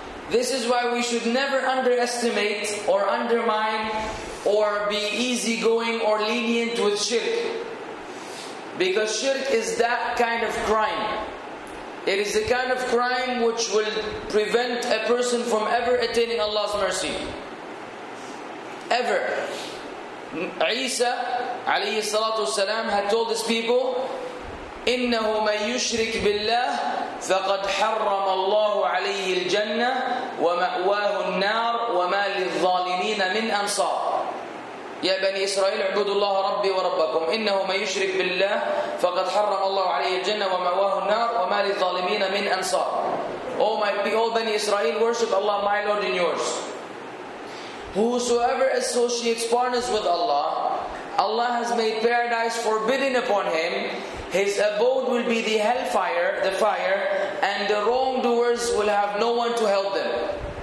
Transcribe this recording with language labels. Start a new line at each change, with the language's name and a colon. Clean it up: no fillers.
English: This is why we should never underestimate or undermine or be easygoing or lenient with shirk. Because shirk is that kind of crime. It is the kind of crime which will prevent a person from ever attaining Allah's mercy. Ever. Isa alayhi salatu wasalam had told his people,
Arabic: إِنَّهُ مَنْ يُشْرِكْ بِاللَّهِ فَقَدْ حَرَّمَ اللَّهُ عَلَيْهِ الْجَنَّةِ وَمَأْوَاهُ النَّارُ وَمَا لِلظَّالِمِينَ مِنْ أَنصَارٍ. يا بني إسرائيل اعبدوا الله ربي وربكم إنه من يشرك بالله فقد حرم الله عليه الجنة ومأواه النار وما للظالمين من أنصار.
English: Oh بني إسرائيل, worship Allah my Lord and yours. Whosoever associates partners with Allah, Allah has made paradise forbidden upon him. His abode will be the hellfire, the fire, and the wrongdoers will have no one to help them.